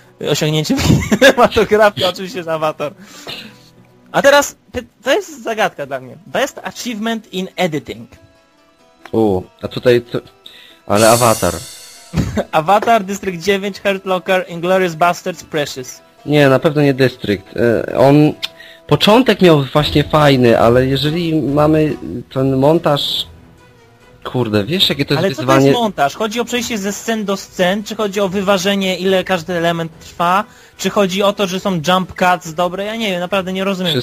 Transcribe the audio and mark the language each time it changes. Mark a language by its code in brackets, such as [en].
[pl] osiągnięciem kinematografii, oczywiście z Avatar. A teraz, to jest zagadka dla mnie. [en] Best achievement in editing. [pl] A tutaj, ale Avatar. [en] Avatar, District 9, Hurt Locker, Inglourious Basterds, Precious. [pl] Nie, na pewno nie District. On, początek miał właśnie fajny, ale jeżeli mamy ten montaż... Kurde, wiesz jakie to jest wyzwanie... Ale co to jest montaż? Chodzi o przejście ze scen do scen? Czy chodzi o wyważenie, ile każdy element trwa? Czy chodzi o to, że są jump cuts dobre? Ja nie wiem, naprawdę nie rozumiem